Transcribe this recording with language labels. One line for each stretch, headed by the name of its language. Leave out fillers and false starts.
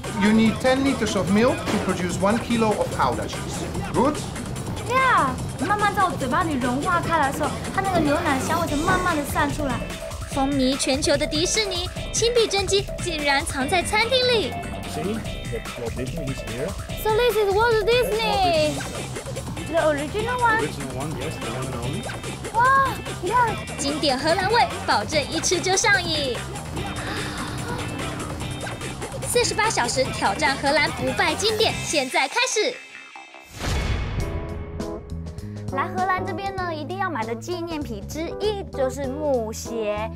English: You need 10 liters of milk to produce 1 kilo of powder cheese. Good? Yeah.
Chinese: 慢慢在我嘴巴里融化开来的时候，它那个牛奶香味就慢慢的散出来。风靡全球的迪士尼亲笔真迹竟然藏在餐厅里。
English: See, the tradition is here. So this is Walt Disney. The original one. The original one, yes, the one and only. Wow, yeah.
Chinese: 经典荷兰味，保证一吃就上瘾。 48小时挑战荷兰不败经典，现在开始。来荷兰这边呢，一定要买的纪念品之一就是木鞋。